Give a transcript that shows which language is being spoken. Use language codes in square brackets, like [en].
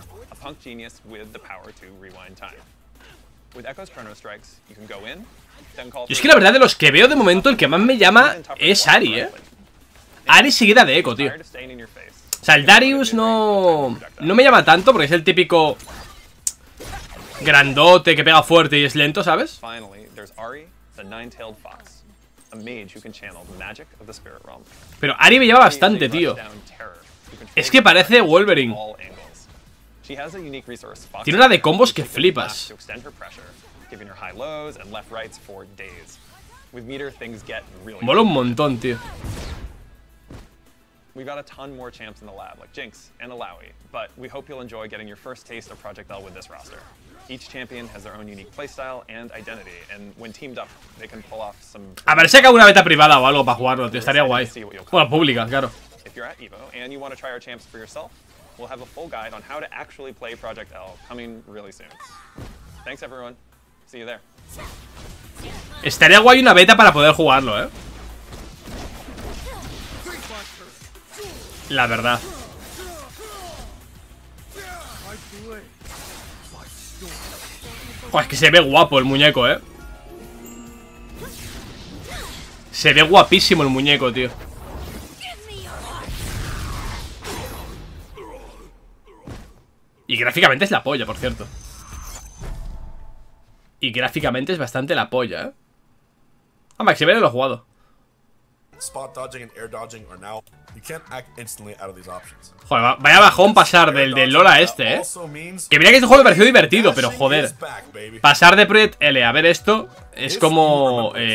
[en] A punk genius with the power to rewind time. With Echo's chrono strikes, you can go in, then call. [es] Yo es que la verdad de los que veo de momento el que más me llama es Ahri, Ahri seguida de Echo, tío. O sea, el Darius no me llama tanto porque es el típico grandote que pega fuerte y es lento, ¿sabes? [en] Finally, there's Ahri, the nine-tailed fox. A mage who can channel the magic of the spirit realm. [es] Pero Ahri me lleva bastante, tío. Es que parece Wolverine. [en] She has a unique resource, Fox. [es] Tiene una de combos que flipas. [en] To extend her pressure, giving her high lows and left rights for days. With meter, things get really... [es] mola un montón, tío. [en] We got a ton more champs in the lab, like Jinx and Alawi, but we hope you'll enjoy getting your first taste of Project L with this roster. Each champion has their own unique playstyle and identity, and when teamed up, they can pull off some... [es] A ver si hay alguna beta privada o algo para jugarlo, tío, estaría guay. Bueno, pública, claro. [en] If you're at Evo and you want to try our champs for yourself, we'll have a full guide on how to actually play Project L coming really soon. Thanks everyone. See you there. [es] Estaría guay una beta para poder jugarlo, ¿eh? La verdad. Joder, es que se ve guapo el muñeco, ¿eh? Se ve guapísimo el muñeco, tío. Y gráficamente es la polla, por cierto. Y gráficamente es bastante la polla, ¿eh? Ah, Maximiliano lo ha jugado. [en] Spot dodging and air dodging are now. You can't act instantly out of these options. [es] Joder, vaya bajón pasar del LoL a este, ¿eh? Que mira que este juego me pareció divertido, pero joder. Pasar de Project L a ver esto es como...